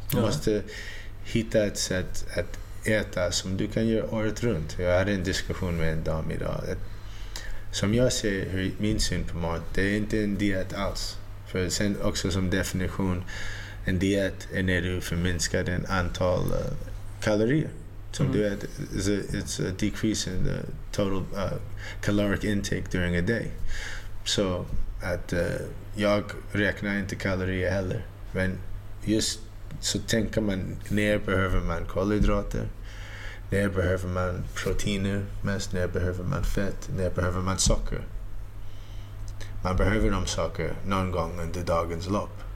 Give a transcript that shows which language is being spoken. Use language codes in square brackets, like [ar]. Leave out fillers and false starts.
[sv] Du måste hitta ett sätt att äta som du kan göra året runt. Jag hade en diskussion med en dam idag. Som jag ser, min syn på mat, det är inte en diet alls. För sen också som definition, en diet är när du förminskar en antal kalorier. Som du vet, [en] it's a decrease in the total caloric intake during a day. [sv] Så att jag räknar inte kalorier heller. Men just så tänker man, när behöver man kolhydrater? När behöver man proteiner mest? När behöver man fett? När behöver man socker? Man behöver de socker någon gång under dagens lopp.